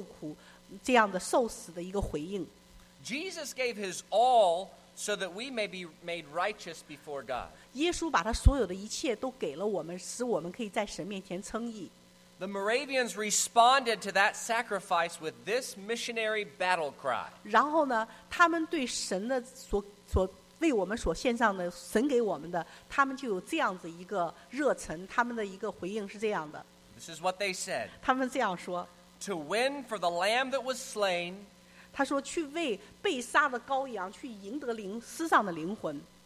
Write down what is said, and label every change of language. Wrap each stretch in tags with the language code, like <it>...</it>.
<zh>他们的这个宣教的热忱来自于他们对心底深处对神的爱和对耶稣为在十字架上为我们的受苦这样的受死的一个回应。</zh> <en>Jesus gave his all so that we may be made righteous before God.</en> <zh>耶稣把他所有的一切都给了我们，使我们可以在神面前称义。</zh> <en>The Moravians responded to that sacrifice with this missionary battle cry.</en> <zh>然后呢，他们对神的所为我们所献上的，神给我们的，他们就有这样子一个热忱，他们的一个回应是这样的。</zh> <en>This is what they said.</en> <zh>他们这样说。</zh> <en>To win for the lamb that was slain.</en> <zh>他说去为被杀的羔羊去赢得灵，失丧的灵魂。</zh>